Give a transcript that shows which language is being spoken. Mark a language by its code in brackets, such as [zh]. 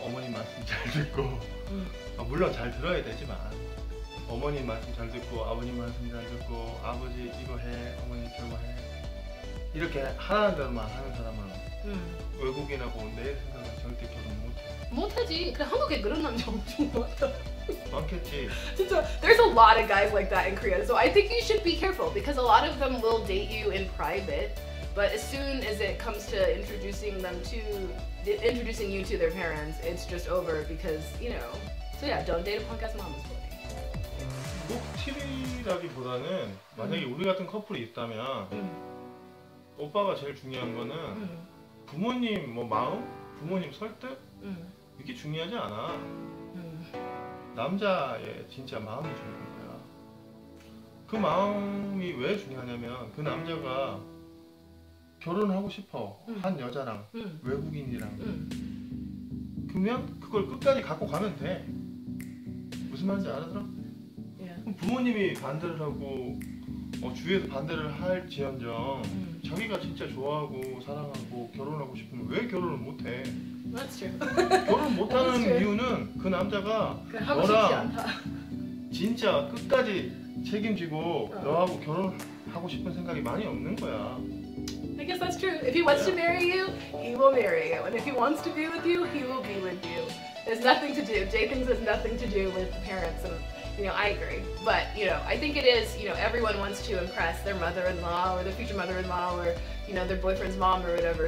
[ko] 어머니 말씀 잘 듣고 물론 잘 들어야 되지만 어머니 말씀 잘 듣고 아버님 말씀 잘 듣고 아버지 이거 해 어머니 저거 해 이렇게 하나만 하는 사람은 외국인하고 내 생각은 절대 결혼 못하지. 그래 한국에 그런 남자 엄청 많다. 많겠지. 진짜 [en] there's a lot of guys like that in Korea. So I think you should be careful because a lot of them will date you in private. But as soon as it comes to introducing you to their parents, it's just over because, you know. So yeah, don't date a punk ass mom's boy. [ko] 꼭 TV라기보다는 만약에 우리 같은 커플이 있다면 오빠가 제일 중요한 거는 부모님 뭐 마음? 부모님 설득? 이게 중요하지 않아. 남자의 진짜 마음이 중요한 거야. 그 마음이 왜 중요하냐면 그 남자가 결혼하고 싶어. 한 여자랑 외국인이랑 그러면 그걸 끝까지 갖고 가면 돼. 무슨 말인지 알아들어? [en] Yeah. [ko] 부모님이 반대를 하고 주위에서 반대를 할지언정 자기가 진짜 좋아하고 사랑하고 결혼하고 싶으면 왜 결혼을 못해? [en] That's true. [ko] 결혼 못하는 이유는 그 남자가 너랑 진짜 끝까지 책임지고 너하고 결혼하고 싶은 생각이 많이 없는 거야. [en] I guess that's true. If he wants to marry you, he will marry you. And if he wants to be with you, he will be with you. There's nothing to do. Dating has nothing to do with the parents. And, you know, I agree. But, you know, I think it is, you know, everyone wants to impress their mother-in-law or their future mother-in-law or, you know, their boyfriend's mom or whatever.